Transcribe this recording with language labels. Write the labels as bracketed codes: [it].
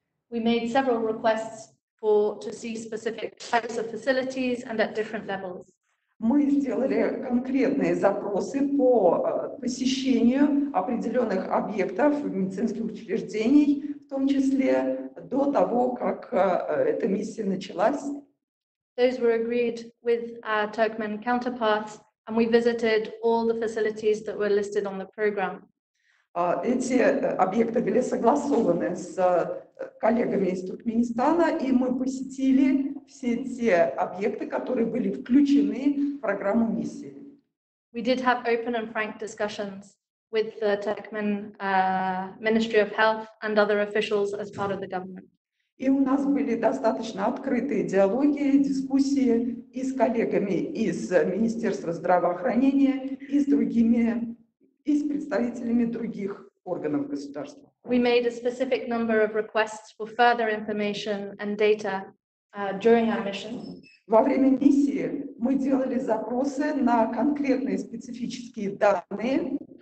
[en] We made several requests to see specific types of facilities and at different levels. [ru] Мы сделали конкретные запросы по посещению определенных объектов медицинских учреждений, в том числе до того, как эта миссия началась. [en] Those were agreed with our Turkmen counterparts, and we visited all the facilities that were listed on the program. [ru] Эти объекты были согласованы с коллегами из Туркменистана, и мы посетили все те объекты, которые были включены в программу миссии. [en] We did have open and frank discussions with the Turkmen Ministry of Health and other officials as part of the government. [ru] И у нас были достаточно открытые диалоги, дискуссии и с коллегами из Министерства здравоохранения, и с другими, и с представителями других органов государства. [en] We made a specific number of requests for further information and data during our mission. [ru] Во время миссии мы делали запросы на конкретные специфические данные.